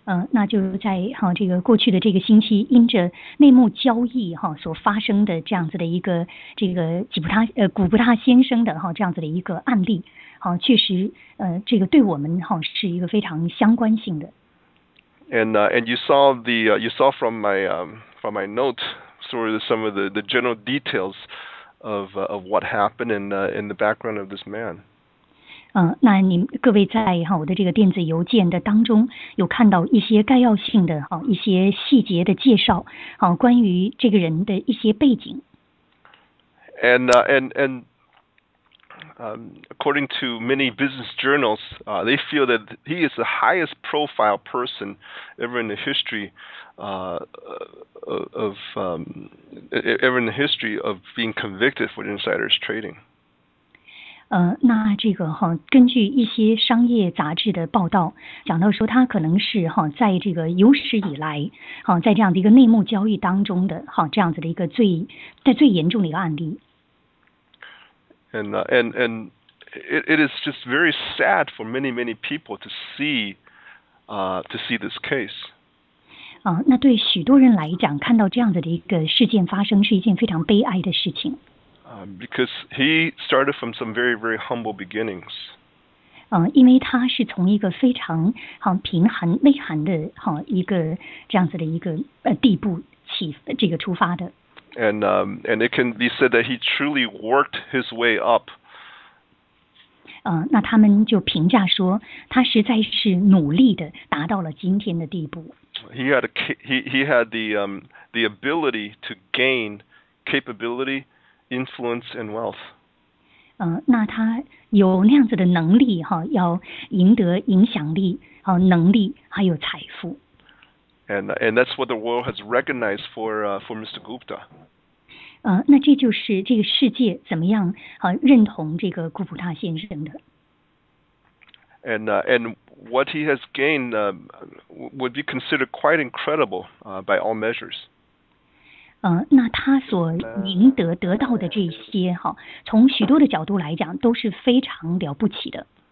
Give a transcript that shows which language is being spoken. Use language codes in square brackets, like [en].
[zh] 那就在哈这个过去的这个星期，因着内幕交易哈所发生的这样子的一个这个古布达先生的哈这样子的一个案例，好确实这个对我们哈是一个非常相关性的。 [en] And you saw you saw from my note sort of some of the general details of what happened in the background of this man. [zh] 那你各位在哈我的这个电子邮件的当中有看到一些概要性的哈一些细节的介绍，好关于这个人的一些背景。 [en] And according to many business journals, they feel that he is the highest profile person ever in the history of being convicted for insider's trading. [zh] 那这个哈，根据一些商业杂志的报道，讲到说他可能是哈在这个有史以来哈在这样的一个内幕交易当中的哈这样子的一个最在最严重的一个案例。 [en] And it is just very sad for many, many people to see this case. [zh] 那对许多人来讲，看到这样子的一个事件发生是一件非常悲哀的事情。 [en] Because he started from some very, very humble beginnings. [zh] 因为他是从一个非常好贫寒、内涵的好一个这样子的一个地步起这个出发的。 [en] And it can be said that he truly worked his way up. [zh] 那他们就评价说，他实在是努力的达到了今天的地步。 [en] He had the ability to gain capability, influence, and wealth. [zh] 那他有那样子的能力哈，要赢得影响力、能力还有财富。 [en] And that's what the world has recognized for Mr. Gupta. [zh] 那这就是这个世界怎么样认同这个古普塔先生的。 [en] And what he has gained would be considered quite incredible by all measures. [zh] 那他所赢得到的这些哈，从许多的角度来讲都是非常了不起的。